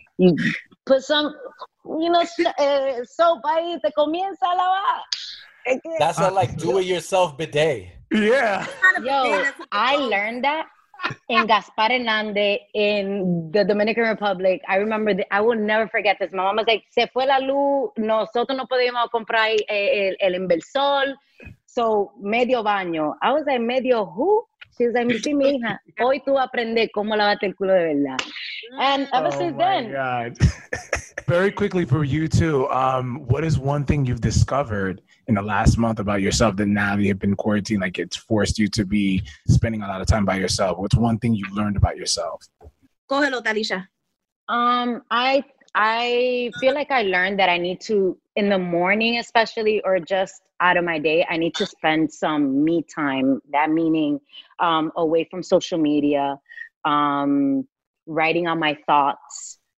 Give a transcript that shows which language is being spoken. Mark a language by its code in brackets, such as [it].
[en] You put some, you know, soap ahí, te comienza a lavar. That's not like do-it-yourself bidet. Yeah. Yo, I learned that in Gaspar Hernández in the Dominican Republic. I remember, I will never forget this. [es] My mom was like, se fue la luz, nosotros no podíamos comprar el inversor. So, medio baño. I was like, medio who? She's like, sí, mi hija, hoy tú aprendes cómo lavarte el culo de verdad. [en] And ever since then. Oh, my God. Very quickly for you too, what is one thing you've discovered in the last month about yourself that now that you've been quarantined, like it's forced you to be spending a lot of time by yourself? What's one thing you've learned about yourself? [es] Cógelo, Talisha. [en] I feel like I learned that I need to, in the morning especially, or just out of my day, I need to spend some me time, that meaning away from social media, writing on my thoughts.